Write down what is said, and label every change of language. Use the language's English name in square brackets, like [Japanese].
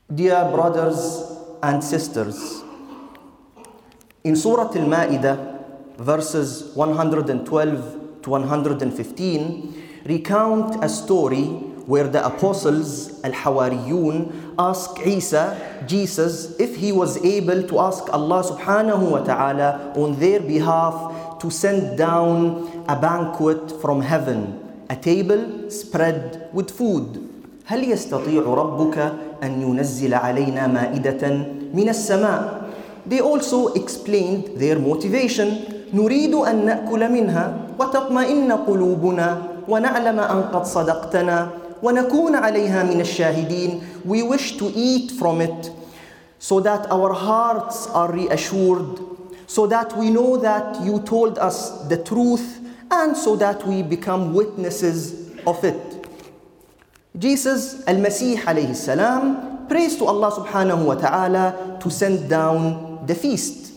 [English] Dear brothers and sisters, in Surah Al-Ma'idah, verses 112 to 115, recount a story where the apostles, Al-Hawariyun, ask Isa, Jesus, if he was able to ask Allah subhanahu wa ta'ala on their behalf to send down a banquet from heaven, a table spread with food. [Arabic] هل يستطيع ربك أن ينزل علينا مائدة من السماء؟ [English] They also explained their motivation. [Arabic] نريد أن نأكل منها وتطمئن قلوبنا ونعلم أن قد صدقتنا ونكون عليها من الشاهدين. [English] We wish to eat from it so that our hearts are reassured, so that we know that you told us the truth, and so that we become witnesses of it. Jesus, Al-Masih alayhi salam, prays to Allah subhanahu wa ta'ala to send down the feast.